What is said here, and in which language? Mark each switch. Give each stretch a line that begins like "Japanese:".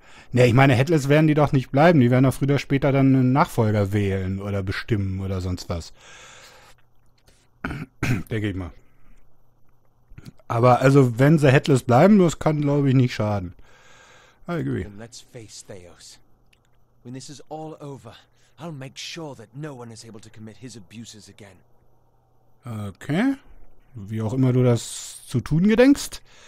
German: Ne, ich meine, Headless werden die doch nicht bleiben. Die werden doch früher oder später dann einen Nachfolger wählen oder bestimmen oder sonst was. Der geht mal. Aber also, wenn sie Headless bleiben, das kann, glaube ich, nicht schaden.
English: I agree. Then let's face Theos. When this is all over, I'll make sure that no one is able to commit his abuses again. Okay.
German: Wie auch immer du das zu tun gedenkst.